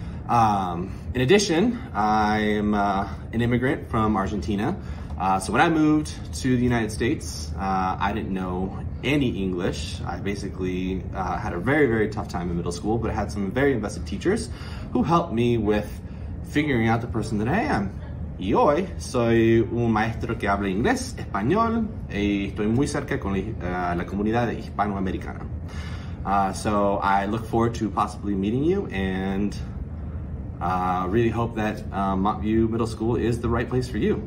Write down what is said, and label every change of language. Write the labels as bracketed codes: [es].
[en] In addition, I'm an immigrant from Argentina. So when I moved to the United States, I didn't know any English. I basically had a very, very tough time in middle school, but I had some very invested teachers who helped me with figuring out the person that I am. [es] Y hoy soy un maestro que habla inglés, español, y estoy muy cerca con la comunidad hispanoamericana. [en] So I look forward to possibly meeting you and Really hope that Montview Middle School is the right place for you.